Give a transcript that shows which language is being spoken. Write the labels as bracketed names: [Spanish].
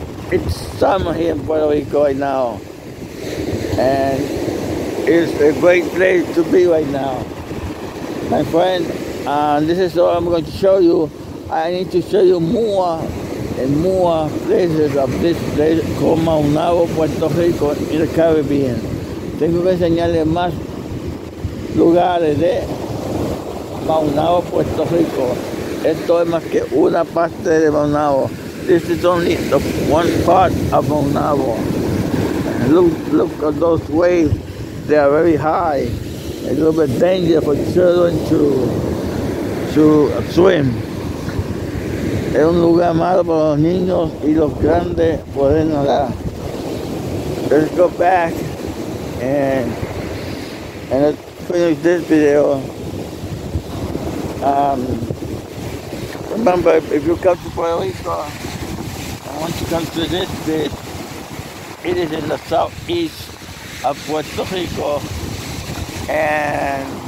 [English] It's summer here in Puerto Rico right now. And it's a great place to be right now. My friend, this is all I'm going to show you. I need to show you more and more places of this place called Maunabo, Puerto Rico, in the Caribbean. [Spanish] Tengo que enseñarles más lugares de Maunabo, Puerto Rico. Esto es más que una parte de Maunabo. [English] This is only the one part of Maunabo. Look at those waves. They are very high. A little bit dangerous for children to swim. [Spanish] Es un lugar malo para los niños y los grandes pueden nadar. [English] Let's go back and let's finish this video. Remember, if you come to Puerto Rico, I want to come to this beach. It is in the southeast of Puerto Rico. And